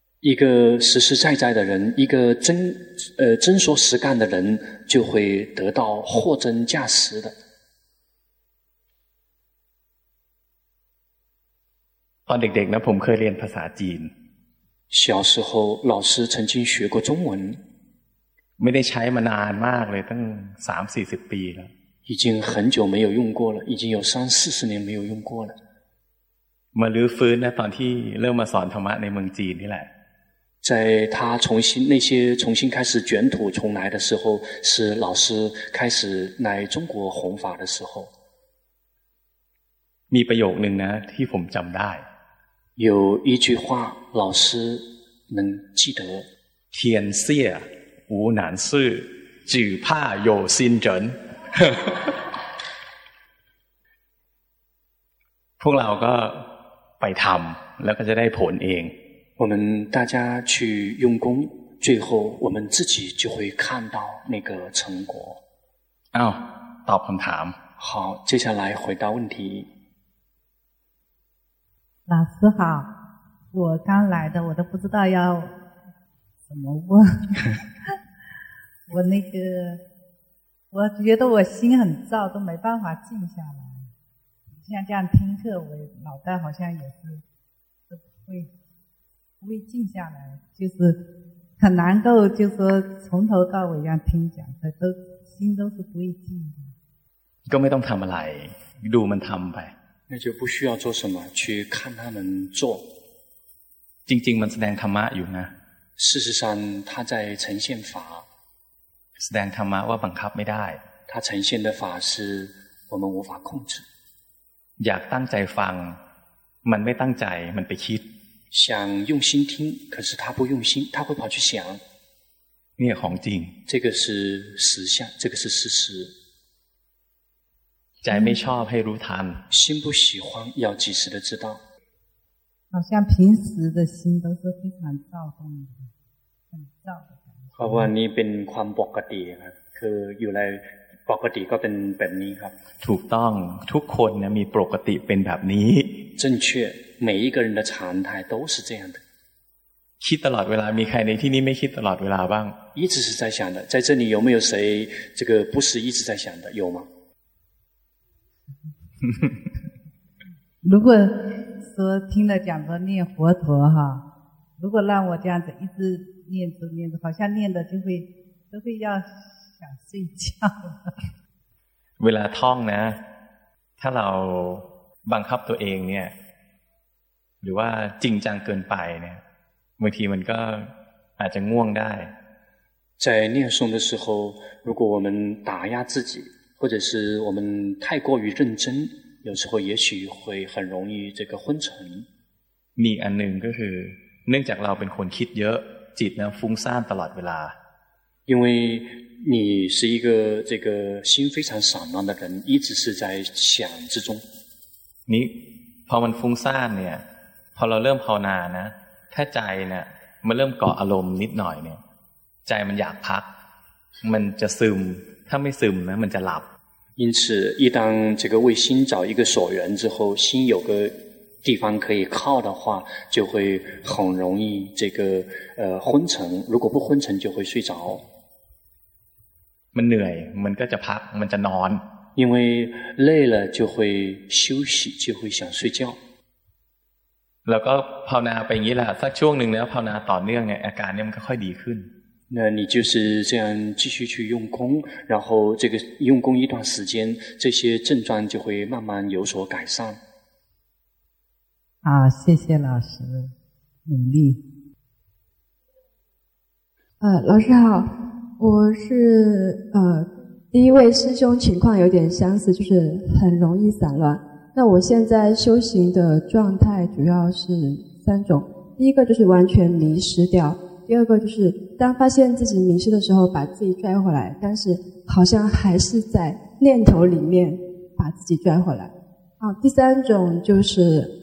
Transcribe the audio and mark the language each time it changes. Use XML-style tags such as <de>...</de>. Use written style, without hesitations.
<zh>一个实实在在的人一个真真说实干的人就会得到货真价实的</zh> <th>ตอนเด็กๆนะผมเคยเรียนภาษาจีน</th> <zh>小时候老师曾经学过中文</zh> <th>ไม่ได้ใช้มานานมากเลยตั้ง 3-40 ปีแล้ว</th> <zh>已经很久没有用过了已经有三四十年没有用过了</zh> <th>มาลื้อฟื้นนะตอนที่เริ่มมาสอนธรรมะในเมืองจีนนี่แหละ</th> <zh>在他重新那些重新开始卷土重来的时候是老师开始来中国弘法的时候</zh> <th>มีประโยคหนึ่งนะที่ผมจำได้</th> <zh>有一句话老师能记得天下无难事只怕有心人</zh> <th>พวกเราก็ไปทำแล้วก็จะได้ผลเอง</th> <zh>我们大家去用功最后我们自己就会看到那个成果</zh> <th>อ้าวตอบคำถาม</th> <zh>好接下来回答问题老师好我刚来的我都不知道要怎么问我那个我觉得我心很燥都没办法静下来像这样听课我脑袋好像也是都不会静下来就是很难够就是说从头到尾要听讲的都心都是不会静的</zh> <th>ก็ไม่ต้องทำอะไรดูมันทำไป</th> <zh>那就不需要做什么去看他们做</zh> <th>จริงๆมันแสดงธรรมะอยู่นะ</th> <zh>事实上他在呈现法</zh> <th>แสดงธรรมะว่าบังคับไม่ได้</th> <zh>他呈现的法是我们无法控制</zh> <th>อยากตั้งใจฟังมันไม่ตั้งใจมันไปคิด</th> <zh>想用心听可是他不用心他会跑去想</zh> <th>นี่ของจริง</th> <zh>这个是实相这个是事实</zh> <th>ใจไม่ชอบให้รู้ทัน</th> <zh>心不喜欢要及时的知道好像平时的心都是非常躁动的很躁的感</zh> <th>觉เพราะว่านี่เป็นความปกติครับคืออยู่ในปกติก็เป็นแบบนี้ครับ ถูกต้องทุกคนนะมีปกติเป็นแบบนี้</th> <zh>正确每一个人的常态都是这样的</zh> <th>คิดตลอดเวลามีใครในที่นี้ไม่คิดตลอดเวลาบ้าง</th> <zh>一直是在想的在这里有没有谁这个不是一直在想的有吗如果说听了讲的念佛陀哈如果让我这样子一直念着念着好像念的就会都会要想睡觉</zh> <th>เวลาท่องนะถ้าเราบังคับตัวเองเนี่ยหรือว่าจริงจังเกินไปเนี่ยบางทีมันก็อาจจะง่วงได้</th> <zh>在念诵的时候如果我们打压自己或者是我们太过于认真有时候也许会很容易这个昏沉</zh> <th>มีอันหนึ่งก็คือเนื่องจากเราเป็นคนคิดเยอะจิตนะฟุ้งซ่านตลอดเวลา</th> <zh>因为你是一个这个心非常散乱的人一直是在想之中</zh> <th>นี่พอมันฟุ้งซ่านเนี่ยพอเราเริ่มภาวนานะถ้าใจเนี่ยมันเริ่มเกาะอารมณ์นิดหน่อยเนี่ยใจมันอยากพักมันจะซึมถ้าไม่ซึมนะมันจะหลับ</th> <zh>因此一旦这个为心找一个所缘之后心有个地方可以靠的话，就会很容易这个昏沉。如果不昏沉，就会睡着。</zh> <th>มันเหนื่อยมันก็จะพักมันจะนอน</th> <zh>因为累了就会休息就会想睡觉</zh> <th>แล้วก็ภาวนาไปอย่างนี้แหละสักช่วงหนึ่งแล้วภาวนาต่อเนื่องเนี่ยอาการเนี่ยมันก็ค่อยดีขึ้น</th> <zh>那你就是这样继续去用功然后这个用功一段时间这些症状就会慢慢有所改善啊谢谢老师努力老师好我是第一位师兄情况有点相似就是很容易散乱那我现在修行的状态主要是三种第一个就是完全迷失掉第二个就是当发现自己迷失的时候把自己拽回来但是好像还是在念头里面把自己拽回来第三种就是</zh>